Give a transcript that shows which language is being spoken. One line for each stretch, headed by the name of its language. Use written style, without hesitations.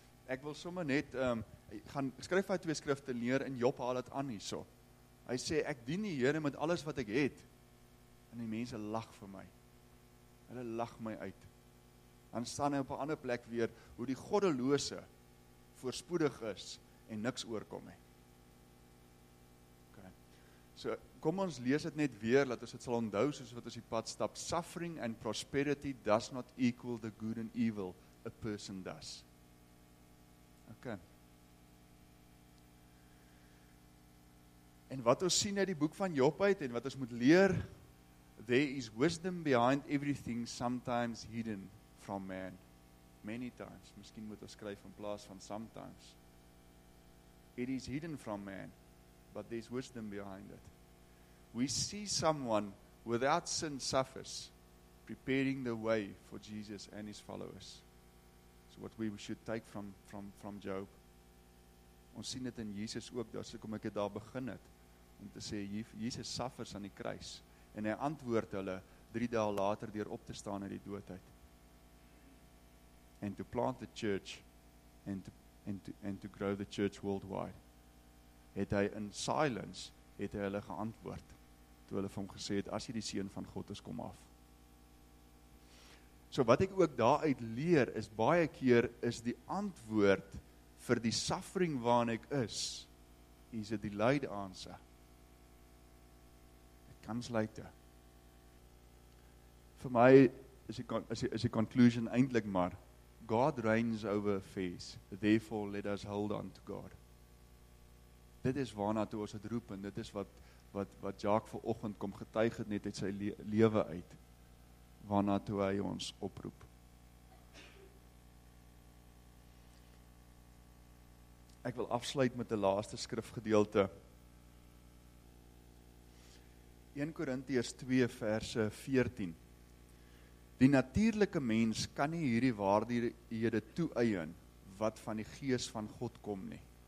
Afrikaans: Ek wil sommer net, gaan skryf uit twee skrifte neer en Job haal het aan hierso. Hy sê, ek dien die Here met alles wat ek het. En die mense lag vir my. Hulle lag my uit. Dan staan hy op 'n ander plek weer, hoe die goddelose voorspoedig is en niks oorkom hê. Okay. So, kom ons lees het net weer, dat ons het sal onthou soos wat ons die pad stap.
English: Suffering and prosperity does not equal the good and evil a person does. Okay.
Afrikaans: En wat ons sien uit die boek van Job uit en wat ons moet leer,
English: there is wisdom behind everything sometimes hidden from man. Many times,
Afrikaans: miskien moet ons skryf in plaas van sometimes.
English: It is hidden from man, but there is wisdom behind it. We see someone without sin suffers, preparing the way for Jesus and his followers. So what we should take from Job.
Afrikaans: Ons sien dit in Jesus ook, daar sê kom ek het daar begin het, om te sê, Jesus suffers aan die kruis, en hy antwoord hulle, 3 dae later, deur op te staan uit die dood uit.
English: And to plant the church, and to grow the church worldwide.
Afrikaans: Het hy in silence, het hy hulle geantwoord, toe hulle vir hom gesê het, as jy die seun van God is, kom af. So wat ek ook daaruit leer, is baie keer is die antwoord vir die suffering waarin ek is, is
English: a delayed answer. It comes later.
Afrikaans: Vir my is die conclusion eindelijk maar,
English: God reigns over affairs, therefore let us hold on to God.
Afrikaans: Dit is waarna toe ons het roep, en dit is wat Jacques vanoggend kom getuig het net uit sy lewe uit. Waarna toe hy ons oproep. Ek wil afsluit met die laaste skrifgedeelte. 1 Korintiërs 2 verse 14. Die natuurlike mens kan nie hierdie waardighede toeëien wat van die gees van God kom nie.